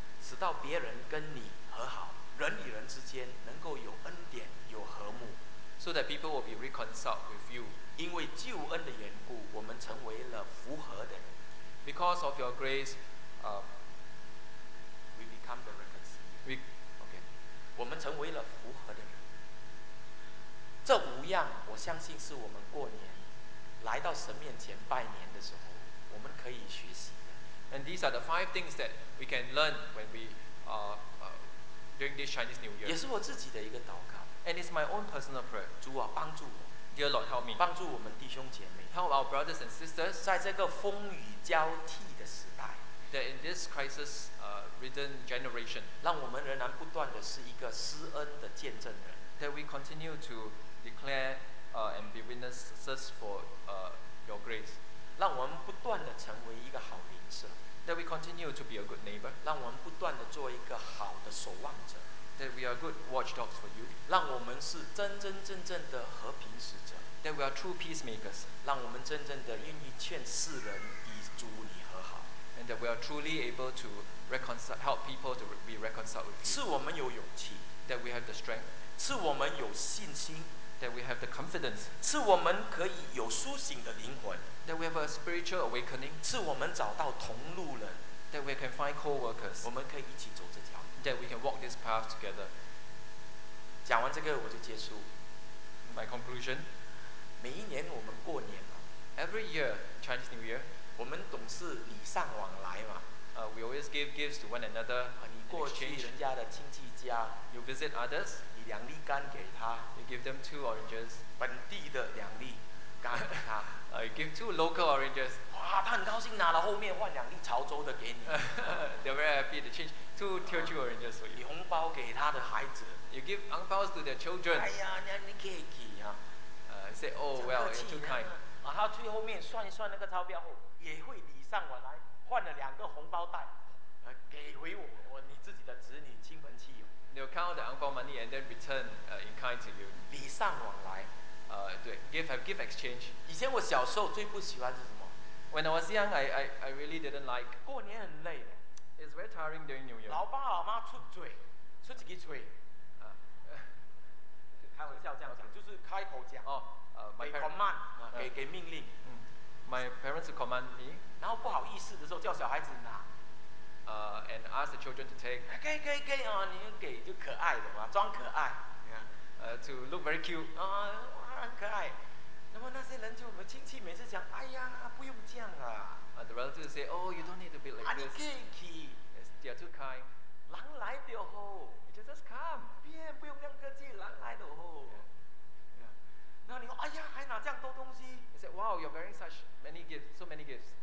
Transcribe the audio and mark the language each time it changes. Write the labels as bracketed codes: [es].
[zh] 使到别人跟你和好，人与人之间能够有恩典，有和睦。 [en] So that people will be reconciled with you. [zh] 因为救恩的缘故，我们成为了符合的人。 [en] Because of your grace, we become the reconciled. We [zh] 们成为了符合的人。这五样，我相信是我们过年来到神面前拜年的时候，我们可以学习。 [en] And these are the five things that we can learn when we are during this Chinese New Year. [zh] 也是我自己的一个祷告。 [en] And it's my own personal prayer. [zh] 主啊，帮助我。 [en] Dear Lord, help me. [zh] 帮助我们弟兄姐妹。 [en] Help our brothers and sisters. [zh] 在这个风雨交替的时代。 [en] That in this crisis, ridden generation. [zh] 让我们仍然不断的是一个施恩的见证人。 [en] That we continue to declare, and be witnesses for, your grace. [zh] 让我们不断的成为一个好邻舍。 [en] That we continue to be a good neighbor. [zh] 让我们不断的做一个好的守望者。 [en] That we are good watchdogs for you. [zh] 让我们是真真正正的和平使者。 [en] That we are true peacemakers. [zh] 让我们真正的愿意劝世人以主你和好。 [en] And that we are truly able to reconcile, help people to be reconciled with you. [zh] 赐我们有勇气。 [en] That we have the strength. [zh] 赐我们有信心。 [en] That we have the confidence. [zh] 赐我们可以有苏醒的灵魂。 [en] That we have a spiritual awakening. [zh] 赐我们找到同路人。 [en] That we can find co-workers. [zh] 我们可以一起走这条。 [en] That we can walk this path together. [zh] 讲完这个我就结束。 [en] My conclusion. [zh] 每一年我们过年嘛。 [en] Every year, Chinese New Year. [zh] 我们总是礼尚往来嘛。 [en] We always give gifts to one another. [zh] 你过去人家的亲戚家。 [en] You visit others. [zh] 你两粒柑给他。 [en] You give them two oranges. [zh] 本地的两粒柑给他。 [en] I give two local oranges. [zh] 哇，他很高兴拿了后面换两粒潮州的给你。 [en] They're very happy to change two Teochew oranges for you. [zh] 你红包给他的孩子。 [en] You give ang pao to their children. [zh] 哎呀，你客气啊。 [en] Say, oh well, you're too kind. [zh] 然后去后面算一算那个钞票后，也会礼尚往来，换了两个红包袋，给回我你自己的子女亲朋戚友。 [en] They'll count the ang pao money and then return, in kind to you. [zh] 礼尚往来。 [en] 对 give exchange. [zh] 以前我小时候最不喜欢是什么？ [en] When I was young, I really didn't like. [zh] 过年很累的。 [en] It's very tiring during New Year. [zh] 老爸老妈出嘴，出几个嘴。开玩笑这样讲， okay. 就是开口讲。 [en] 哦、my [zh] 给 command，、给命令。 [en] My parents command me. [zh] 然后不好意思的时候叫小孩子拿。 [en] And ask the children to take. [zh] 可以啊，你给就可爱的嘛，装可爱。 [en] To look very cute. [zh] 很可爱，那么那些人就我们亲戚每次讲，哎呀，不用这样啊。 [en] The relatives say, oh, you don't need to be like this. [zh] 啊，你客气。 [en] Yes, they are too kind. [zh] 人来就好。 [en] You just come. [zh] 别不用那么客气，人来就好。Yeah. Yeah. 然后你说，哎呀，还拿这样多东西。 [en] You say, wow, you're wearing such many gifts, so many gifts.